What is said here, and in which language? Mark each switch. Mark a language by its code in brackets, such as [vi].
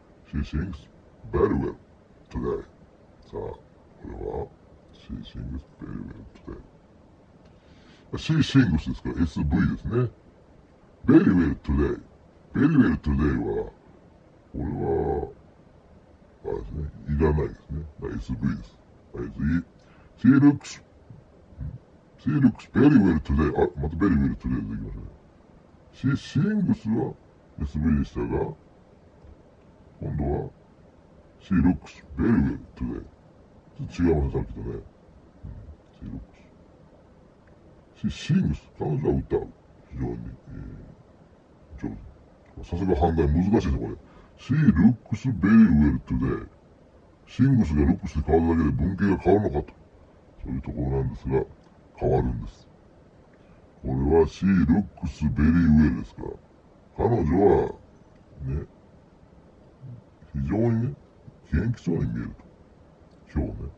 [en] She sings very well today. [ja] さあ、これは、 [en] She sings very well today. She sings ですから SV ですね。Very well today. Very well today [ja] は、これは、あれですね。いらないですね。SV です。はい、次。 [en] She looks very well today. [ja] あ、また [en] very well today [ja] でいきましたね。 [en] She sings は SV [ja] でしたが、今度は、 [en] She looks very well today. [ja] 違うもんさっきとね。 [en] She looks. She sings. [ja] 彼女は歌う。非常に、上手。さすが判断難しいですこれ。 [en] She looks very well today. [ja] Sings が looks で変わるだけで文型が変わるのかと。そういうところなんですが、変わるんです。 [en] これは She looks very well [ja] ですから。彼女は、ね、非常にね、元気そうに見えると。今日ね。